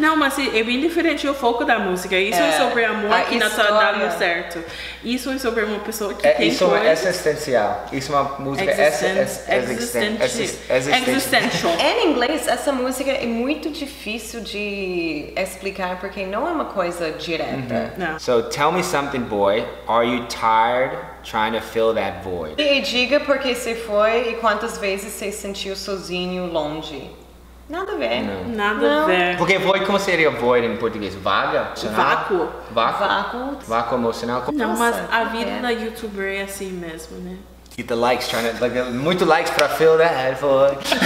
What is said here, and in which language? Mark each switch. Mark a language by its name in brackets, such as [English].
[Portuguese] Não, mas é bem diferente o foco da música. Isso é sobre amor que não tá dando certo. Isso é sobre uma pessoa que tem isso coisas. Isso é existencial. Isso é uma música existencial. Em inglês, essa música é muito difícil de explicar porque não é uma coisa direta. Uh-huh. Não. [English] So, tell me something, boy. Are you tired trying to fill that void? [Portuguese] E diga por que você foi e quantas vezes você sentiu sozinho longe. Nada a ver. Não. Nada a ver. Porque void, como seria void em português? Vaga? Vácuo. Vácuo. Vácuo. Vácuo emocional. Não, nossa, mas a vida da youtuber é assim mesmo, né? [English] E the likes, trying to, like, [Portuguese] muito [English] likes [Portuguese] pra [English] fill that void.